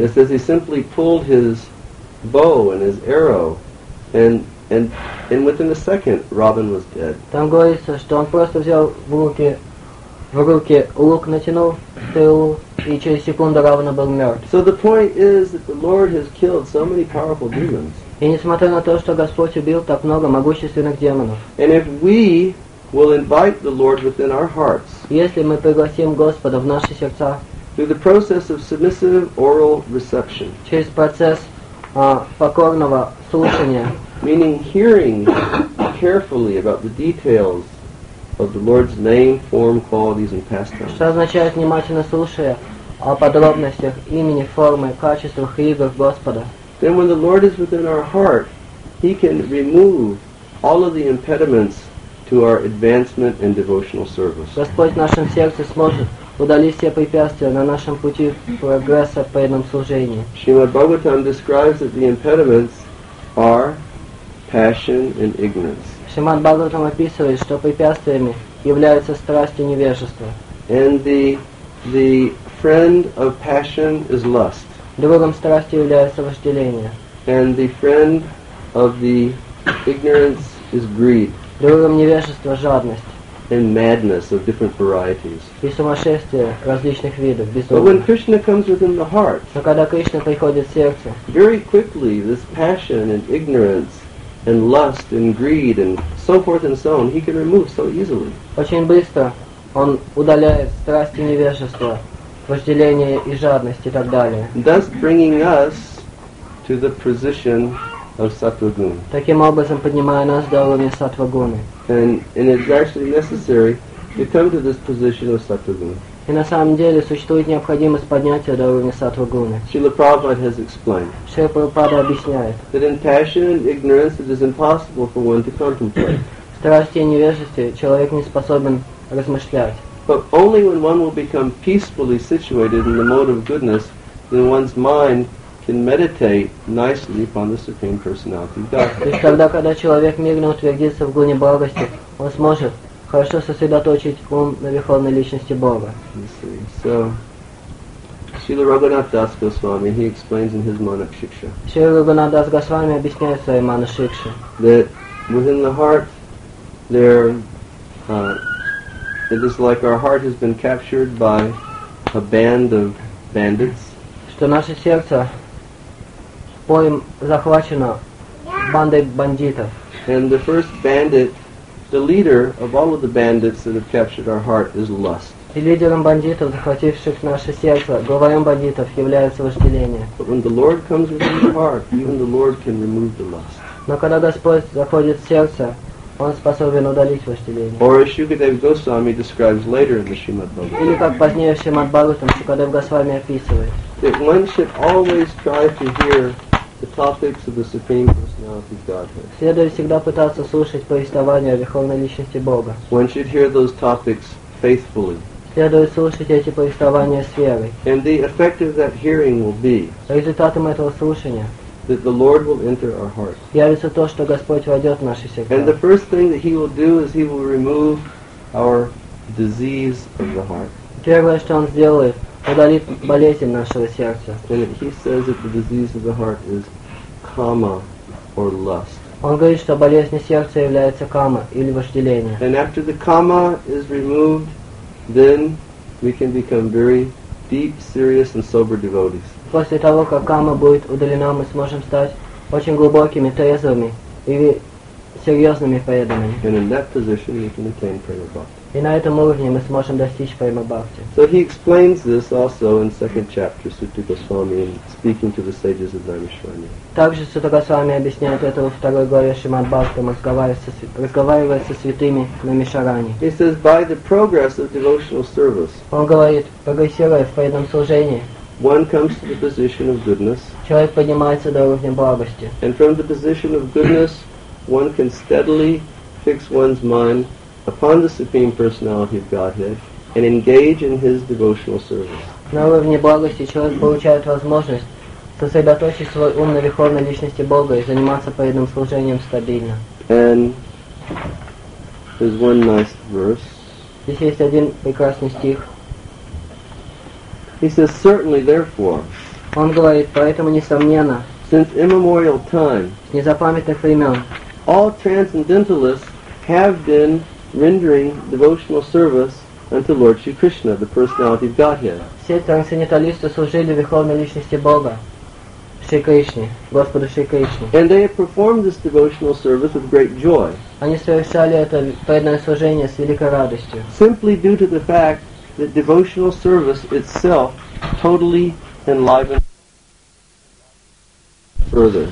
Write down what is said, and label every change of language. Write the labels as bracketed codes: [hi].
[en] It says he simply pulled his bow and his arrow and within a second Robin was dead. [ru] Там говорится, что он просто взял в руки лук, натянул стрелу, и через секунду Равана был мертв. [en] So the point is that the Lord has killed so many powerful demons. [ru] И несмотря на то, что Господь убил так много могущественных демонов. [en] And if we will invite the Lord within our hearts. [ru] Если мы пригласим Господа в наши сердца. [en] Through the process of submissive oral reception. [ru] Через процесс покорного слушания. [en] Meaning hearing carefully about the details of the Lord's name, form, qualities, and pastimes. [ru] Что означает внимательно слушая о подробностях имени, формы, качествах и играх Господа. [en] Then when the Lord is within our heart, He can remove all of the impediments to our advancement and devotional service. [ru] Господь в нашем сердце сможет удалить все препятствия на нашем пути прогресса по этому служению. [en] Srimad Bhagavatam describes that the impediments are passion and ignorance. [ru] Srimad Bhagavatam описывает, что препятствиями являются страсть и невежество. [en] And the friend of passion is lust. [ru] Другом страсти является вожделение. [en] And the friend of the ignorance is greed. [ru] Другом невежество, жадность. [en] And madness of different varieties. [ru] И сумасшествие различных видов, безумие. [en] But when Krishna comes within the heart, [ru] но когда Кришна приходит в сердце, [en] very quickly this passion and ignorance and lust and greed and so forth and so on, he can remove so easily. [ru] Очень быстро он удаляет страсти, невежество, вожделение и жадность и так далее. [en] Thus bringing us to the position of Sattva-guna. [ru] Таким образом поднимая нас до уровня Саттва-гуны. [en] And it's actually necessary to come to this position of Саттва-гуна. [ru] И на самом деле существует необходимость поднятия до уровня Саттва-гуны. [en] Srila Prabhupada has explained. [ru] Srila Prabhupada объясняет. [en] That in passion and ignorance it is impossible for one to contemplate. [ru] В страсти и невежестве человек не способен размышлять. [en] But only when one will become peacefully situated in the mode of goodness, then one's mind can meditate nicely upon the Supreme Personality of God. [ru] То есть тогда, когда человек мирно утвердится в гуне благости, он сможет хорошо сосредоточить ум на Верховной Личности Бога. [en] So, Srila Raghunath Das Goswami, he explains in his Manashiksha. [ru] Srila Raghunath Das Goswami объясняет в своей Manashiksha. [en] That within the heart, there, it is like our heart has been captured by a band of bandits. [ru] Что наше сердце захвачено бандой бандитов. [en] And the first bandit, the leader of all of the bandits that have captured our heart is lust. [ru] И лидером бандитов, захвативших наше сердце, главарем бандитов является вожделение. [en] But when the Lord comes within the heart, even the Lord can remove the lust. [ru] Но когда Господь заходит в сердце, Он способен удалить вожделение. [en] Or as Shukadev Goswami describes later in the Srimad Bhagavatam. [ru] Или как позднее в Шримад Бхагаватам Шукадев Госвами описывает. [en] That one should always try to hear the topics of the Supreme Personality of Godhead. [ru] Следует всегда пытаться слушать повествования о Верховной Личности Бога. [en] One should hear those topics faithfully. [ru] Следует слушать эти повествования с верой. [en] And the effect of that hearing will be [ru] результатом этого слушания [en] that the Lord will enter our hearts. [ru] Явится то, что Господь войдет в наши сердца. [en] And the first thing that He will do is He will remove our disease of the heart. [ru] Первое, что Он сделает, удалит болезнь нашего сердца. [en] And he says that the disease of the heart is kama or lust. [ru] Он говорит, что болезнь сердца является кама или вожделение. [en] And after the kama is removed, then we can become very deep, serious, and sober devotees. [ru] После того, как кама будет удалена, мы сможем стать очень глубокими, трезвыми и серьезными преданными. [en] And in that position, we can attain prema bhakti. [ru] И на этом уровне мы сможем достичь према бхакти. [en] So he explains this also in second chapter, Sutta Goswami, in speaking to the sages of Dharmashwanya. [ru] Также Сутта Госвами объясняет это во второй главе Шримад Бхагаватам, разговаривая со святыми на Мишаране. [en] He says, by the progress of devotional service. [ru] Он говорит, прогрессируя в преданном служении. [en] One comes to the position of goodness. [ru] Человек поднимается до уровня благости. [en] And from the position of goodness, one can steadily fix one's mind upon the Supreme Personality of Godhead and engage in His devotional service. [ru] На уровне благости человек получает возможность сосредоточить свой ум на Верховной Личности Бога и заниматься преданным служением стабильно. [en] And there's one nice verse. [ru] Здесь есть один прекрасный стих. [en] He says, certainly, therefore. [ru] Он говорит, поэтому несомненно. [en] Since immemorial time. [ru] С незапамятных времен. [en] All transcendentalists have been rendering devotional service unto Lord Shri Krishna, the personality of Godhead. [ru] Все трансценденталисты служили верховной личности Бога. Шри Кришне, Господу Шри Кришне. [en] And they have performed this devotional service with great joy. [ru] Они совершали это преданное служение с великой радостью. [en] Simply due to the fact that devotional service itself totally enlivens further.